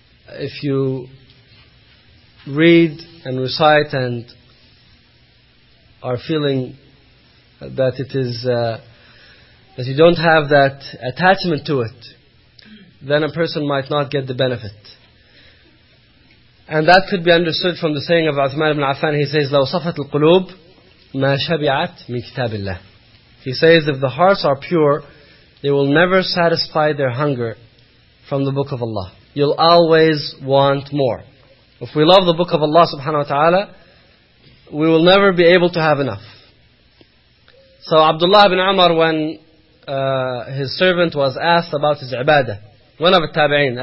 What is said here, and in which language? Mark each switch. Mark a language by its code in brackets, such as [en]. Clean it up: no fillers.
[en] If you read and recite and are feeling that it is that you don't have that attachment to it, then a person might not get the benefit. And that could be understood from the saying of Uthman ibn Affan. He says, [ar] لَوْ صَفَتِ الْقُلُوبِ مَا شَبِعَتْ مِنْ كِتَابِ اللَّهِ. [en] He says, if the hearts are pure, they will never satisfy their hunger from the book of Allah. You'll always want more. If we love the book of Allah subhanahu wa ta'ala, we will never be able to have enough. So Abdullah ibn Umar, when his servant was asked about his ibadah, one of the tabi'een.